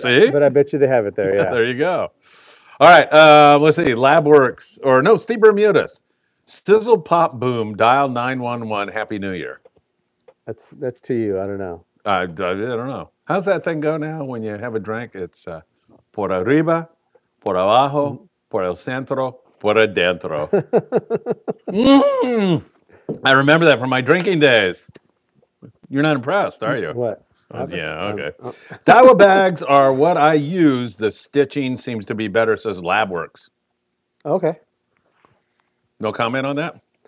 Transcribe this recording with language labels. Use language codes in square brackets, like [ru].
[en] see? But I bet you they have it there. Yeah, there you go. All right. Let's see. LabWorks or no, Steve Bermudas. Sizzle pop boom, dial 911. Happy New Year. That's to you. I don't know. I don't know. How's that thing go now when you have a drink? [es] It's por arriba, por abajo, por el centro, por adentro. [en] I remember that from my drinking days. You're not impressed, are you? What? Dawa bags are what I use. The stitching seems to be better, says LabWorks. Okay. No comment on that?